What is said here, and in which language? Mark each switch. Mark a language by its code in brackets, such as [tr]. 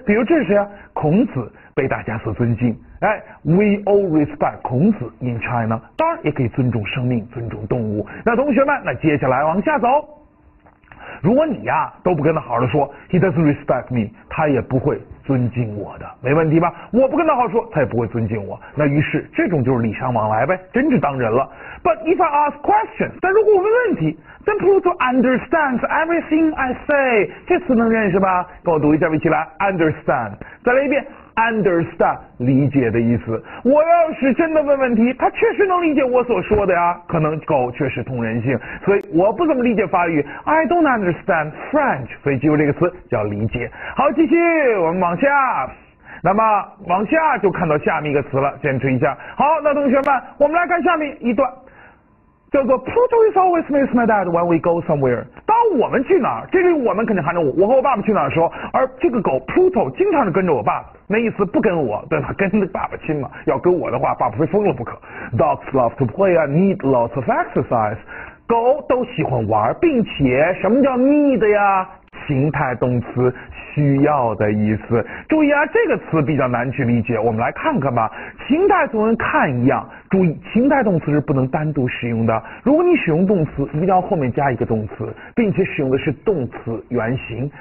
[zh] 比如这是谁啊？孔子被大家所尊敬。 [en] 哎 ，we all respect 孔子 in China。 [zh] 当然也可以尊重生命，尊重动物。那同学们，那接下来往下走。如果你呀都不跟他好好的说 ， [en] he doesn't respect me， [zh] 他也不会尊敬我的，没问题吧？我不跟他好好说，他也不会尊敬我。那于是这种就是礼尚往来呗，真是当人了。 [en] But if I ask questions， [zh] 但如果我问问题 [en] ，then Pluto understands everything I say， [zh] 这次能认识吧？跟我读一下，一起来 ，understand， 再来一遍。Understand 理解的意思，我要是真的问问题，他确实能理解我所说的呀。可能狗确实通人性，所以我不怎么理解法语， [en] I don't understand French， [zh] 所以记住这个词叫理解。好，继续我们往下，那么往下就看到下面一个词了，坚持一下。好，那同学们，我们来看下面一段，叫做 [en] Pluto is always miss my dad when we go somewhere。 [zh] 当我们去哪儿，这是我们肯定喊着我和我爸爸去哪儿的时候，而这个狗 Pluto 经常是跟着我爸，那意思不跟我，对吧？跟爸爸亲嘛，要跟我的话，爸爸会疯了不可。 [en] Dogs love to play and need lots of exercise。 [zh] 狗都喜欢玩，并且什么叫 need 呀？情态动词，需要的意思。注意啊，这个词比较难去理解，我们来看看吧。情态词跟看一样，注意情态动词是不能单独使用的。如果你使用动词，一定要后面加一个动词，并且使用的是动词原形。